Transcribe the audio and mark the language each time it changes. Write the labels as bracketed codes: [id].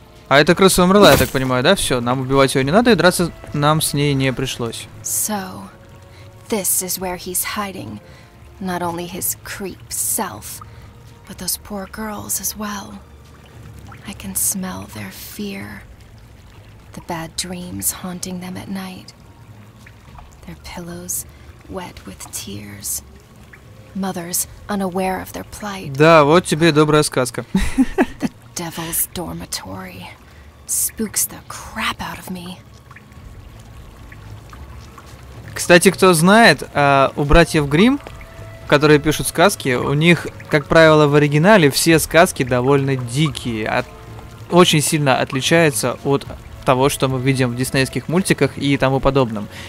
[ru] А эта крыса умерла, я так понимаю, да? Все, нам убивать ее не надо, и драться нам с ней не пришлось. [en] So, this is where he's hiding. Not only his creep self, but those poor girls as well. I can smell their fear. The bad dreams haunting them at night. Their pillows wet with tears. Mothers unaware of their plight. [ru] Да, вот тебе и добрая сказка. [en] The devil's dormitory spooks the crap out of me. [ru] Кстати, кто знает, у братьев Гримм, которые пишут сказки, у них, как правило, в оригинале все сказки довольно дикие, очень сильно отличаются от того, что мы видим в диснеевских мультиках и тому подобном.